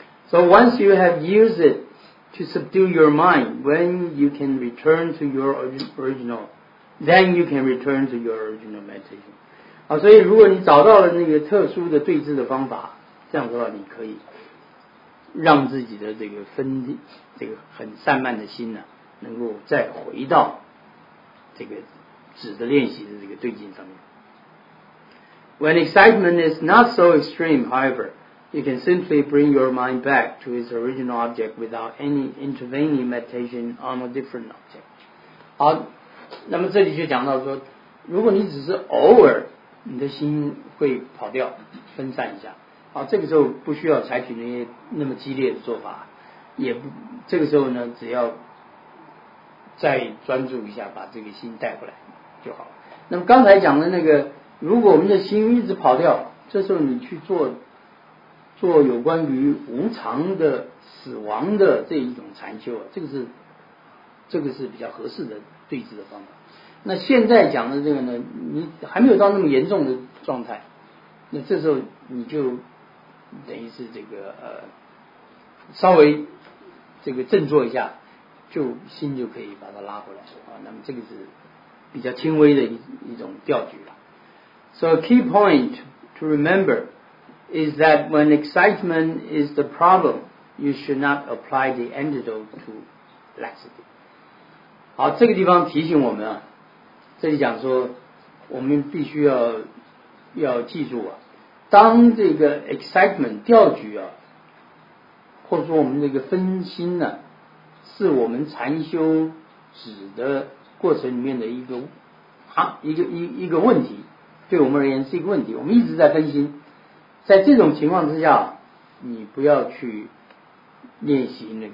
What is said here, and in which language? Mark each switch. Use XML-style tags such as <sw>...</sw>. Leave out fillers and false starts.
<en>So once you have used it to subdue your mind, when you can return to your original. Then you can return to your original meditation.</en> <zh>啊，所以如果你找到了那个特殊的对治的方法，这样的话你可以让自己的这个很散漫的心呢，能够再回到这个止的练习的这个对境上面。</zh> <en>When excitement is not so extreme, however, you can simply bring your mind back to its original object without any intervening meditation on a different object.</en> <zh>那么这里就讲到说，如果你只是偶尔你的心会跑掉分散一下，啊，这个时候不需要采取那些那么激烈的做法，也不这个时候呢，只要再专注一下把这个心带回来就好了。那么刚才讲的那个，如果我们的心一直跑掉，这时候你去做有关于无常的死亡的这一种禅修，这个是比较合适的对治的方法。那现在讲的这个呢，你还没有到那么严重的状态，那这时候你就等于是这个稍微这个振作一下，就心就可以把它拉回来啊。那么这个是比较轻微的一种调举了。</zh> <en>So a key point to remember is that when excitement is the problem, you should not apply the antidote to laxity.</en> <zh>好，这个地方提醒我们啊，这里讲说我们必须要记住啊，当这个 excitement 调举啊，或者说我们这个分心呢，是我们禅修止的过程里面的一个问题，对我们而言是一个问题，我们一直在分心，在这种情况之下，你不要去练习</zh>